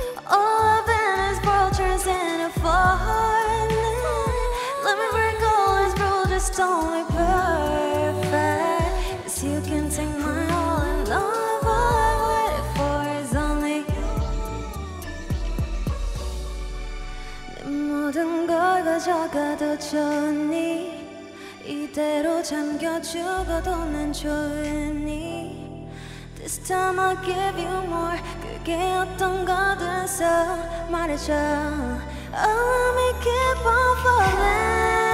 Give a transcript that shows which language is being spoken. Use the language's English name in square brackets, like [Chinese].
[English] All of this world turns into falling. Let me break all these rules. Just don't be perfect. Cause you can take my all and all of what I waited for is only you. [Korean] 내 모든 걸 가져가도 좋으니 이대로 잠겨 죽어도 난 좋으니 [English] This time I'll give you more. [Korean] 그게 어떤 거든 써 말해줘. [English] Oh, let me keep on falling.